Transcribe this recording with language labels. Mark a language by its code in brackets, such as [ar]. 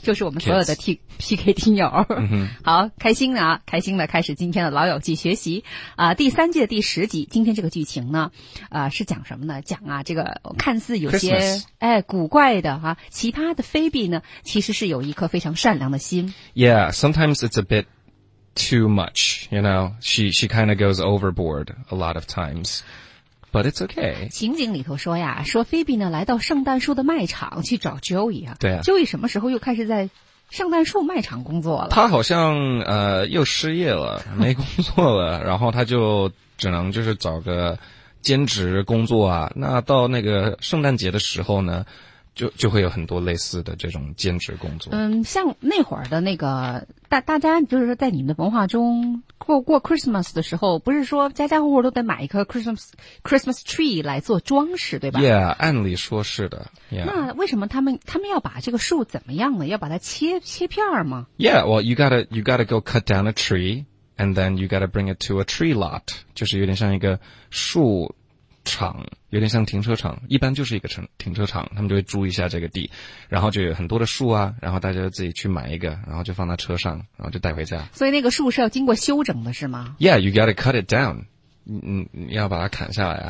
[zh] 就是我们所有的 PK 听友。好，开心啊，开心的开始今天的老友记学习。第三季的第十集，今天这个剧情呢是讲什么呢？讲啊，这个看似有些古怪的啊，奇葩的菲比呢其实是有一颗非常善良的心。 [en] Yeah, sometimes it's a bit too much, you know, she kind of goes overboard a lot of times. But it's okay. [zh] 情景里头说呀，说菲比呢来到圣诞树的卖场去找 Joey 啊。对啊。 Joey 什么时候又开始在圣诞树卖场工作了？他好像又失业了，没工作了，然后他就只能就是找个兼职工作啊。那到那个圣诞节的时候呢，就会有很多类似的这种兼职工作。像那会儿的那个大家就是说在你们的文化中过 Christmas 的时候，不是说家家户户都得买一棵 Christmas tree 来做装饰，对吧？ Yeah, 按理说是的。Yeah. 那为什么他们要把这个树怎么样呢？要把它切片吗？ [en] Yeah, well, you gotta go cut down a tree and then you gotta bring it to a tree lot. [zh] 就是有点像一个树场，有点像停车场，一般就是一个停车场，他们就会租一下这个地，然后就有很多的树啊，然后大家自己去买一个，然后就放到车上，然后就带回家。所以那个树是要经过修整的是吗？ [en] Yeah, you gotta cut it down. [zh] 你要把它砍下来啊。